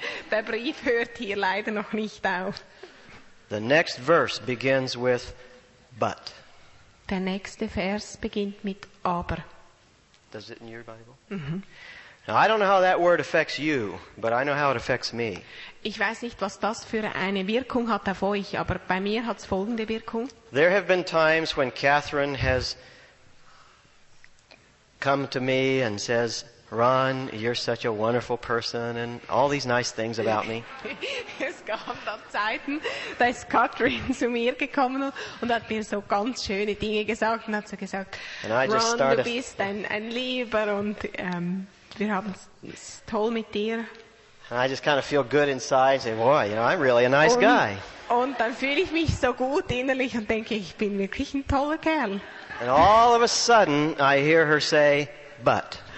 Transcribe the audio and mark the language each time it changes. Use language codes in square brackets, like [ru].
[de] Der Brief hört hier leider noch nicht auf. [en] The next verse begins with but. [de] Der nächste Vers beginnt mit aber. [en] Does it in your Bible? Now, I don't know how that word affects you, but I know how it affects me. [de] Ich weiß nicht, was das für eine Wirkung hat auf euch, aber bei mir hat's folgende Wirkung. [en] There have been times when Catherine has come to me and says, "Ron, you're such a wonderful person," and all these nice things about me. [de] Es gab da Zeiten, da ist Catherine zu mir gekommen und hat mir so ganz schöne Dinge gesagt und hat so gesagt, "Ron, du bist ein Lieber und wir haben es toll mit dir." [en] And I just kind of feel good inside, say, "Boy, you know, I'm really a nice guy." [de] Und dann fühle ich mich so gut innerlich und denke, ich bin wirklich ein toller Kerl. [en] And all of a sudden, I hear her say, "But."